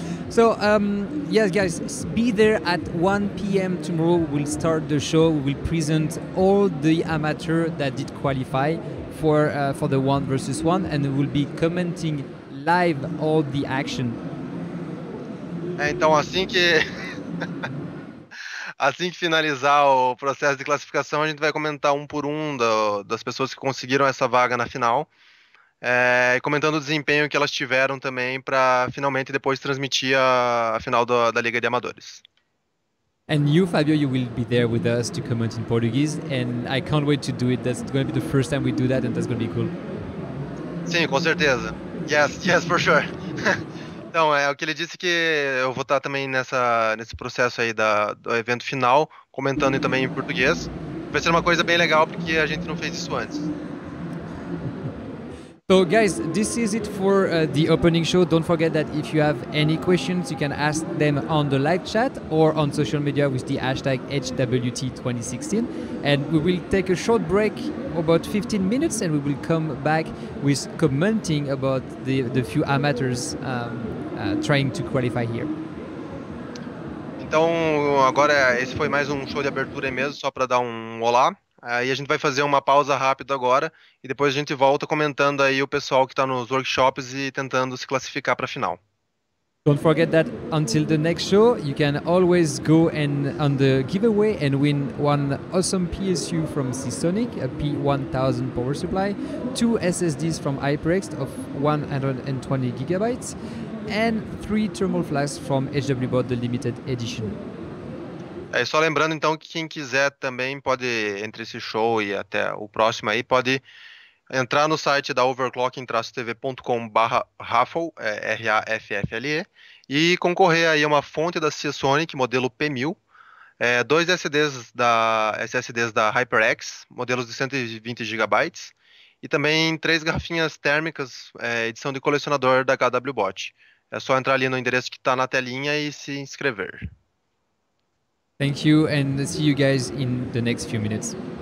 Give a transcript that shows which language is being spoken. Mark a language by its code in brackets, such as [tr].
[en] So, yes, guys, be there at 1 p.m. tomorrow. We'll start the show. We'll present all the amateurs that did qualify for the one versus one, and we'll be commenting live all the action. Então, assim que finalizar o processo de classificação, a gente vai comentar um por um das pessoas que conseguiram essa vaga na final. Comentando o desempenho que elas tiveram também para finalmente depois transmitir a final da Liga de Amadores. And you, Fabio, you will be there with us to comment in Portuguese, and I can't wait to do it. That's going to be the first time we do that, and that's going to be cool. [pt] Sim, com certeza. [en] Yes, for sure. [pt] Então, é o que ele disse que eu vou estar também nesse processo aí do evento final, comentando também em português. Vai ser uma coisa bem legal porque a gente não fez isso antes. [en] So guys, this is it for the opening show. Don't forget that if you have any questions, you can ask them on the live chat or on social media with the hashtag HWT2016. And we will take a short break, about 15 minutes, and we will come back with commenting about the few amateurs trying to qualify here. [pt] Então agora esse foi mais um show de abertura mesmo, só para dar um olá. Aí a gente vai fazer uma pausa rápida agora e depois a gente volta comentando aí o pessoal que está nos workshops e tentando se classificar para a final. [en] Don't forget that until the next show, you can always go and on the giveaway and win one awesome PSU from Seasonic, a P1000 power supply, two SSDs from HyperX of 120 gigabytes, and three thermal flasks from HWBOT, the limited edition. [pt] É, só lembrando então que quem quiser também pode, entre esse show e até o próximo aí, pode entrar no site da overclocking-tv.com/raffle, R-A-F-F-L-E, e concorrer aí a uma fonte da Seasonic, modelo P1000, dois SSDs da HyperX, modelos de 120 GB, e também três garrafinhas térmicas, edição de colecionador da HWBOT. É só entrar ali no endereço que está na telinha e se inscrever. [en] Thank you, and see you guys in the next few minutes.